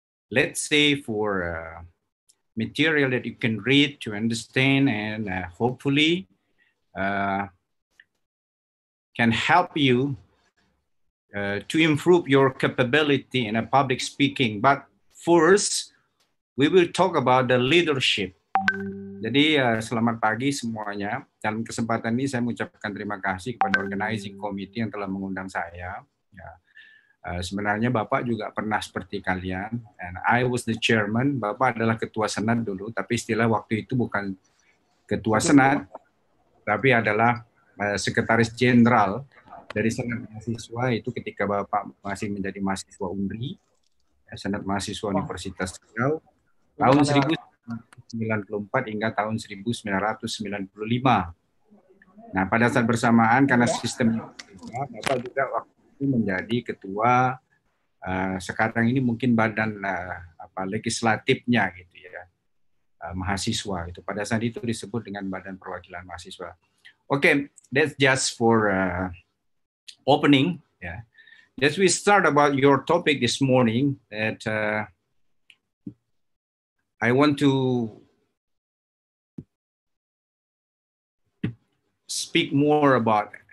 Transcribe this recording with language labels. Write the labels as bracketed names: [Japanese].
[English] let's say for material that you can read to understand, and hopefully can help you to improve your capability in a public speaking. But first, we will talk about the leadership. [Indonesian] Jadi, selamat pagi semuanya. Dalam kesempatan ini, saya mengucapkan terima kasih kepada organizing committee yang telah mengundang saya. Ya. Sebenarnya, Bapak juga pernah seperti kalian. [English] And I was the chairman. [Indonesian] Bapak adalah ketua senat dulu, tapi istilah waktu itu bukan ketua senat, tapi adalah sekretaris jenderal dari senat mahasiswa itu ketika Bapak masih menjadi mahasiswa UNRI, senat mahasiswa Universitas Riau, tahun 1994 hingga tahun 1995. Nah, pada saat bersamaan, karena sistem Bapak juga waktu itu menjadi ketua, sekarang ini mungkin badan legislatifnya gitu ya, mahasiswa itu. Pada saat itu disebut dengan badan perwakilan mahasiswa. [English] Okay, that's just for opening, yeah. As we start about your topic this morning, that I want to speak more about.